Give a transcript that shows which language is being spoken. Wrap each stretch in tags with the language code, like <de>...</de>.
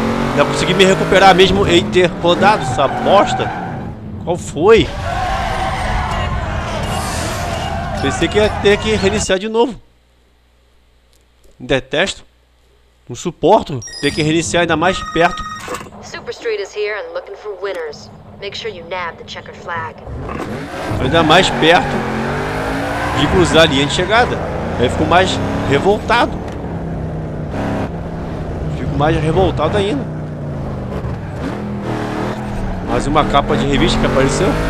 <pt>Ainda consegui me recuperar mesmo e ter rodado essa bosta? Qual foi? Pensei que ia ter que reiniciar de novo. Detesto. Não suporto ter que reiniciar ainda mais perto.</pt> <en>Super Street is here and looking for winners. Make sure you nab the checkered flag.</en> <pt>Ainda mais perto de cruzar a linha de chegada. Aí fico mais revoltado. Fico mais revoltado ainda. Mais uma capa de revista que apareceu.</pt>